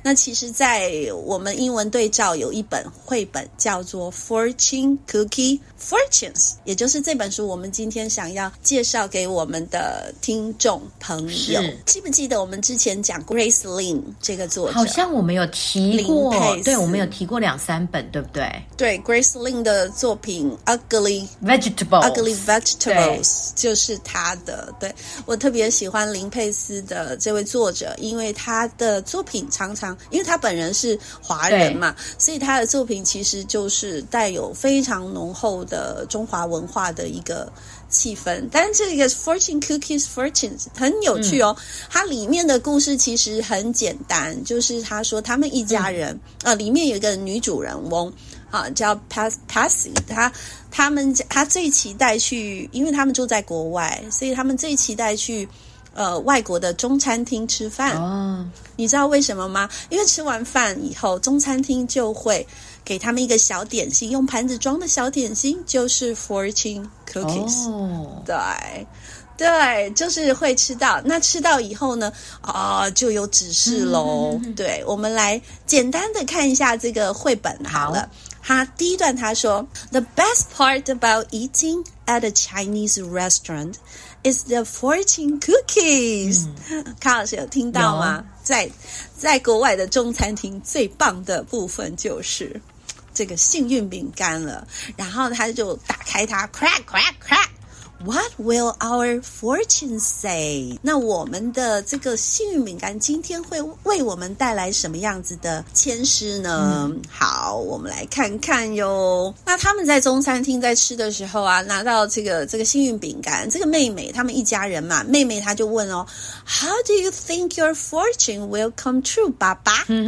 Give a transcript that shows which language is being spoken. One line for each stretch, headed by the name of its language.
Chinese: 那其实在我们英文对照有一本绘本叫做 Fortune Cookie Fortunes， 也就是这本书我们今天想要介绍绍给我们的听众朋友。记不记得我们之前讲 Grace Lin 这个作者，好像我们有提过，对，我们有提过两三本，对不对？对， Grace Lin 的作品 Ugly
English: Vegetables，
Chinese: Ugly Vegetables 就是他的。对，我特别喜欢林佩斯的这位作者，因为他的作品常常，因为他本人是华人嘛，所以他的作品其实就是带有非常浓厚的中华文化的一个气氛。但是这个 Fortune Cookies Fortune 很有趣哦，它里面的故事其实很简单，就是他说他们一家人里面有一个女主人翁叫 Patsy， 他最期待去，因为他们住在国外，所以他们最期待去外国的中餐厅吃饭。你知道为什么吗？因为吃完饭以后，中餐厅就会给他们一个小点心，用盘子装的小点心，就是 fortune cookies。对，对，就是会吃到。那吃到以后呢，就有指示咯。对，我们来简单的看一下这个绘本好了。好，他第一段他说
English: ,The best part about eating at a Chinese restaurant is the fortune cookies.、
Chinese: 卡老师有听到吗？在国外的中餐厅最棒的部分就是这个幸运饼干了。然后他就打开它
English: crack crack crack， What will our fortune say？
Chinese: 那我们的这个幸运饼干今天会为我们带来什么样子的签诗呢？好，我们来看看哟。那他们在中餐厅在吃的时候啊，拿到这个幸运饼干，这个妹妹，他们一家人嘛，妹妹她就问哦，
English: How do you think your fortune will come true，
Chinese: 爸爸？